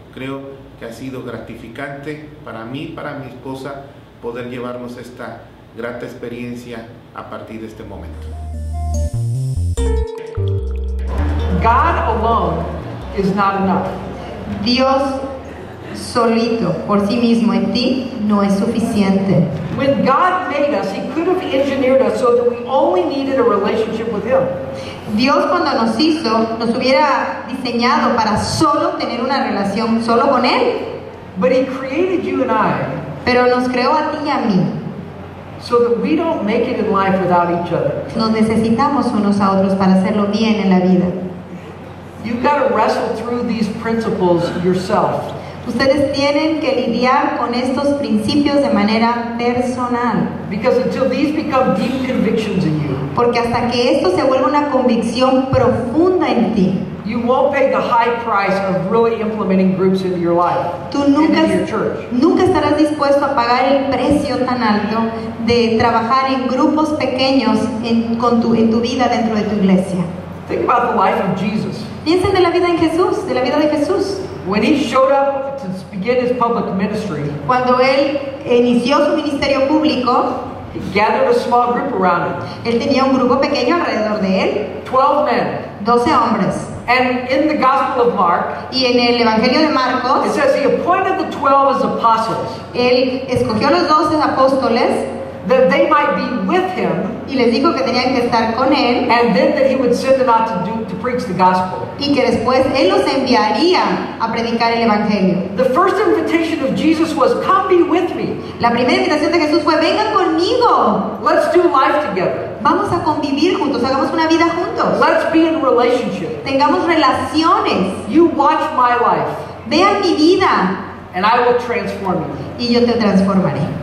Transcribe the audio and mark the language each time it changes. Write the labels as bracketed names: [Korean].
[Spanish] Creo que ha sido gratificante para mí, para mi esposa, poder llevarnos esta grata experiencia a partir de este momento. [English] God alone is not enough. [Spanish] Dios solito, por sí mismo, en ti, no es suficiente. [English] When God made us, he could have engineered us so that we only needed a relationship with him. [Spanish] Dios cuando nos hizo, nos hubiera diseñado para solo tener una relación solo con él. [English] But he created you and I. [Spanish] Pero nos creó a ti y a mí. [English] So that we don't make it in life without each other. [Spanish] Nos necesitamos unos a otros para hacerlo bien en la vida. [English] You've got to wrestle through these principles yourself. [Spanish] Ustedes tienen que lidiar con estos principios de manera personal. [English] Because until these become deep convictions in you. [Spanish] Porque hasta que esto se vuelva una convicción profunda en ti. [English] You won't pay the high price of really implementing groups into your life. [Spanish] Tú nunca, [English] into your church. [Spanish] Nunca estarás dispuesto a pagar el precio tan alto de trabajar en grupos pequeños en tu vida dentro de tu iglesia. [English] Think about the life of Jesus. [Spanish] Piensen de la vida de Jesús. [English] When he showed up to speak. began his public ministry, [Spanish] cuando él inició su ministerio público, [English] he gathered a small group around him. [Spanish] Él tenía un grupo pequeño alrededor de él. [English] 12 men. [Spanish] 12 hombres. [English] And in the Gospel of Mark, [Spanish] y en el Evangelio de Marcos, [English] it says he appointed the 12 as apostles. [Spanish] Él escogió los 12 apóstoles. [English] That they might be with him. [Spanish] Y les dijo que tenían que estar con él. [English] And then that he would send them out to preach the gospel. [Spanish] Y que después él los enviaría a predicar el evangelio. [English] The first invitation of Jesus was, "Come be with me." [Spanish] La primera invitación de Jesús fue, "Vengan conmigo." [English] Let's do life together. [Spanish] Vamos a convivir juntos. Hagamos una vida juntos. [English] Let's be in relationship. [Spanish] Tengamos relaciones. [English] You watch my life. [Spanish] Vean mi vida. [English] And I will transform you. [Spanish] Y yo te transformaré.